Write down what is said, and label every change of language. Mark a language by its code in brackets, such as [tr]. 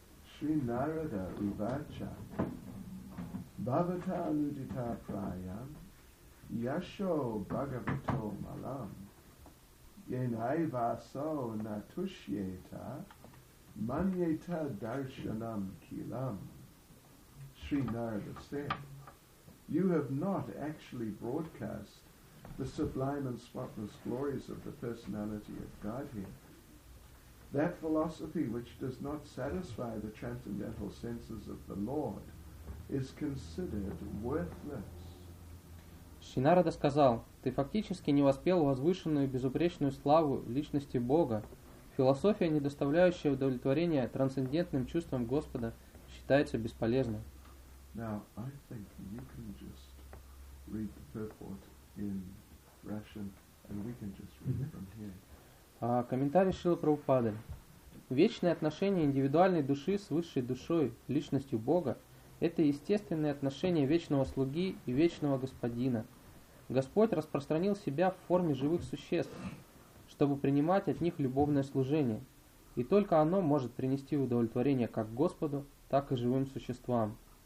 [sa] Шри Нарада Увача Бхагавата Алудита Прая Яшо Бхагавато Малам Енайвасо Натушьета Маньета Даршанам Килам. [en] Шри Нарада said, you have not actually broadcast the sublime and spotless glories of the personality of Godhead. That philosophy which does not satisfy the transcendental senses of the Lord is considered worthless. [ru] Шри Нарада сказал, ты фактически не воспел возвышенную и безупречную славу личности Бога. Философия, не доставляющая удовлетворения трансцендентным чувствам Господа, считается бесполезной. [en] Now, I think you can just read the purport in Russian, and we can just read from here. [ru] Комментарий Шрилы Прабхупады. Вечное отношение индивидуальной души с высшей душой, личностью Бога, это естественное отношение вечного слуги и вечного господина. Господь распространил себя в форме живых существ, чтобы принимать от них любовное служение, и только оно может принести удовлетворение как Господу, так и живым существам.